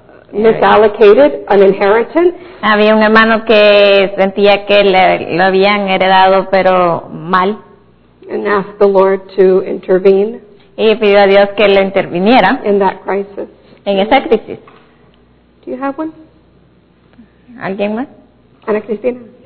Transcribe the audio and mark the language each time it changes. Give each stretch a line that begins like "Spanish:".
English: Misallocated an inheritance.
Spanish: Había un hermano que sentía que lo habían heredado, pero mal.
English: And asked the Lord to intervene.
Spanish: Y pidió a Dios que le interviniera.
English: In that crisis.
Spanish: En esa crisis.
English: Do you have one?
Spanish: ¿Alguien más?
English: Ana Cristina.